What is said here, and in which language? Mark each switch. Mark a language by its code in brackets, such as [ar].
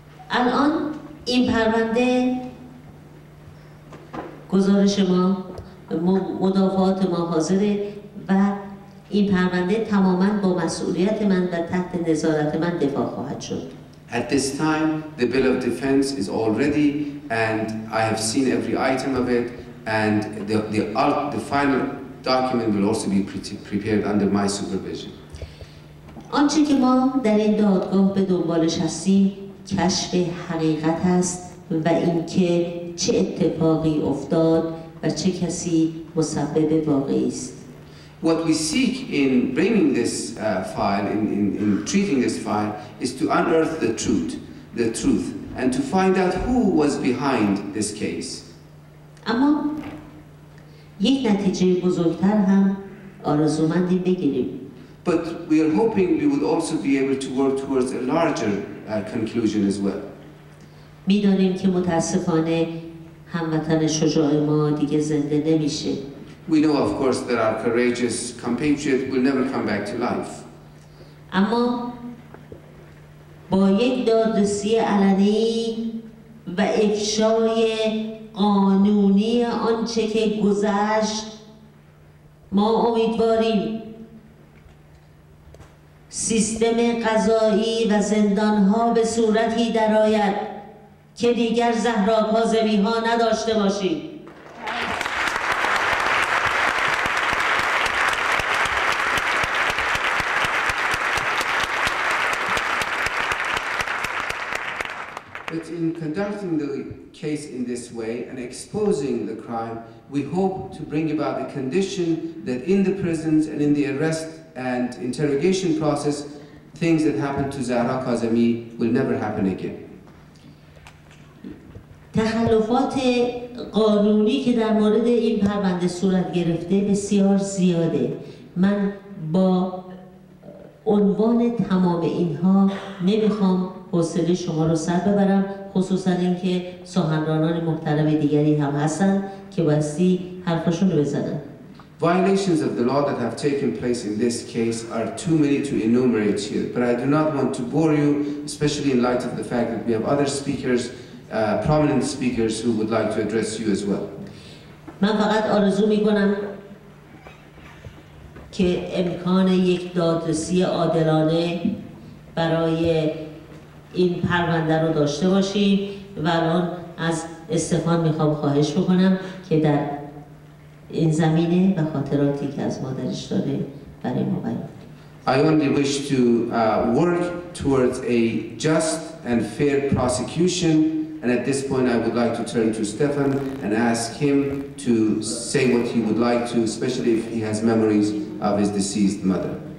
[fa] الان این پرونده گزارش ما مدافعات ما حاضره و این پرونده تماما با مسئولیت من و تحت نظارت من دفاع خواهد شد. [en] At this time, the bill of defense is already, and I have seen every item of it, and the final document will also be prepared under my supervision. [fa] آنچه که ما در این دادگاه به دنبالش هستیم کشف حقیقت است و اینکه چه اتفاقی افتاد و چه کسی مسبب واقعی است. [en] What we seek in bringing this file, in treating this file, is to unearth the truth, and to find out who was behind this case. [fa] اما یک نتیجه بزرگتر هم آرزومندی بگیریم. [en] But we are hoping we would also be able to work towards a larger conclusion as well. [fa] می‌دانیم که متأسفانه هموطن شجاع ما دیگه زنده نمیشه. [en] We know, of course, that our courageous compatriot will never come back to life. [fa] اما با یک دادرسی علنی و افشای قانونی آنچه که گذشت ما امیدواریم سیستم قضایی و زندان‌ها به صورتی درآید که دیگر زهرا کاظمی‌ها نداشته باشیم. [en] In conducting the case in this way and exposing the crime, we hope to bring about a condition that in the prisons and in the arrest and interrogation process, things that happened to Zahra Kazemi will never happen again. [fa] تخلفات قانونی که در مورد این پرونده صورت گرفته بسیار زیاده. من با عنوان تمام اینها نمیخوام حوصله شما رو سر ببرم، خصوصا اینکه سخنرانان محترم دیگری هم هستن که واسه حرفشون رو بزنن. [en] Violations of the law that have taken place in this case are too many to enumerate here, but I do not want to bore you, especially in light of the fact that we have other speakers, prominent speakers who would like to address you as well. [fa] من فقط آرزو می‌کنم که امکان یک دادرسی عادلانه برای این پرونده رو داشته باشیم و الان از استفان میخوام خواهش بکنم که در این زمینه و خاطراتی که از مادرش داره برای ما بیان. [en] I only wish to work towards a just and fair prosecution, and at this point I would like to turn to Stefan and ask him to say what he would like to, especially if he has memories of his deceased mother.